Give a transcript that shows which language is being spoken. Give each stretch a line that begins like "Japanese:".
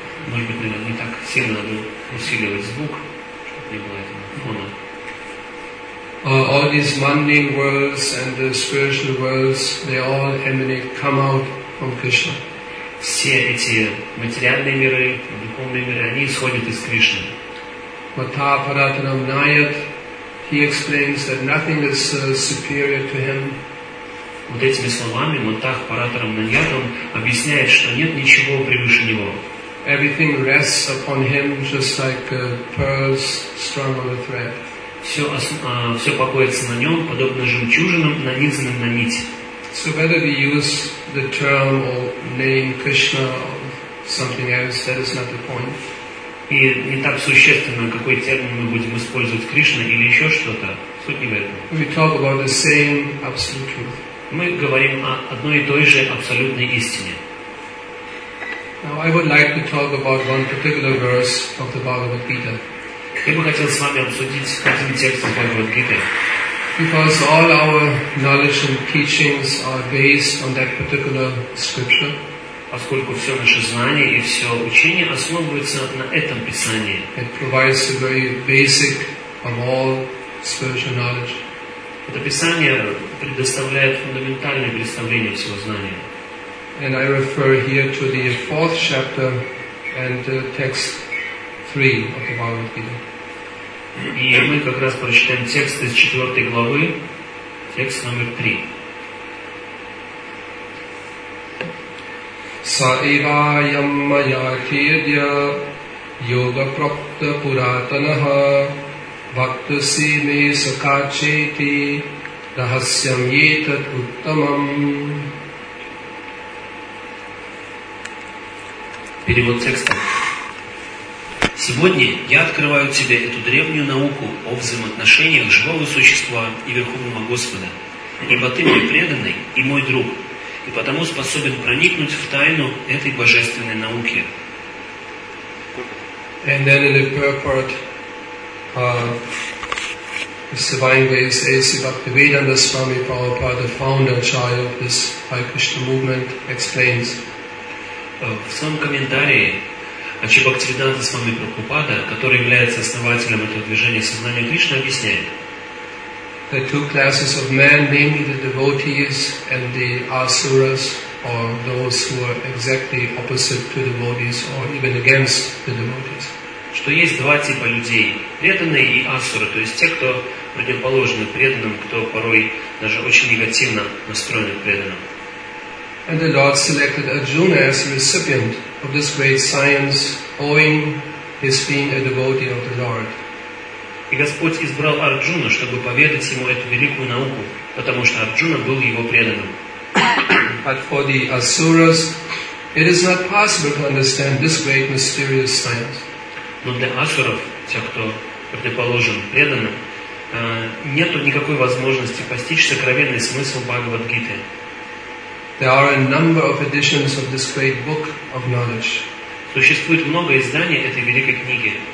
Russian: Может быть, наверное, не так сильно надо усиливать звук, чтобы не было этого фона.
English: All these mundane worlds and the spiritual worlds, they all emanate, come out from Krishna.
Russian: Все эти материальные миры, духовные миры, они исходят из Кришны.
Sanskrit: Mata Paratanam Nayat,
English: he explains that nothing is superior to him.
Russian: Вот этими словами
Sanskrit: Матах Паратарам Наньятам
Russian: объясняет, что нет ничего превыше него.
English: Everything rests upon him just like pearls strung on a thread.
Russian: Все покоится на нем, подобно жемчужинам, нанизанным на нить.
English: So whether we use the term or name Krishna or something else, that is not the point.
Russian: И не так существенно, какой термин мы будем использовать, Кришна или еще что-то, суть не в этом.
English: We talk about the same absolute truth.
Russian: Мы говорим о одной и той же абсолютной истине.
English: Now I would like to talk about one particular verse of the Bhagavad Gita.
Russian: Я бы хотел с вами обсудить один текст из Бхагавад Гиты.
English: Because all our knowledge and teachings are based on that particular scripture.
Russian: Поскольку все наше знание и все учение основывается на этом писании.
English: It provides the very basic of all spiritual knowledge.
Russian: Это писание предоставляет фундаментальное представление всего знания.
English: And I refer here to the fourth chapter and text 3 of the Bhagavad Gita.
Russian: И мы как раз прочитаем текст из 4 главы, текст номер 3.
Sanskrit: Саивайам мая кирья, йога практа пуратанаха, бхакта сими сакачети, рахасьям етат уттамам.
Russian: Перевод текста. Сегодня я открываю тебе эту древнюю науку о взаимоотношениях живого существа и Верховного Господа. Ибо ты мой преданный и мой друг, и потому способен проникнуть в тайну этой божественной науки.
English: And then in the purport, this divine way is A.C. Bhaktivedanta Swami Prabhupada, the founder child of this Hare Krishna movement, explains.
Russian: В своем комментарии Ачи Бхактивиданта Свами Прабхупада, который является основателем этого движения сознания Кришны, объясняет.
English: The two classes of men, namely the devotees and the asuras, or those who are exactly opposite to the devotees, or even against the devotees.
Russian: Что есть два типа людей, преданные и асура, то есть те, кто противоположны преданным, кто порой даже очень негативно настроен к преданным.
English: And the Lord selected Arjuna as a recipient of this great science, owing his being a devotee of the Lord.
Russian: И Господь избрал Арджуну, чтобы поведать ему эту великую науку, потому что Арджуна был его преданным.
English: But for the asuras, it is not possible to understand this great mysterious science.
Russian: Но для асуров, тех, кто противоположен преданным, нет никакой возможности постичь сокровенный смысл Бхагавад-гиты.
English: There are a number of editions of this great book of knowledge.
Russian: Существует много изданий этой великой книги.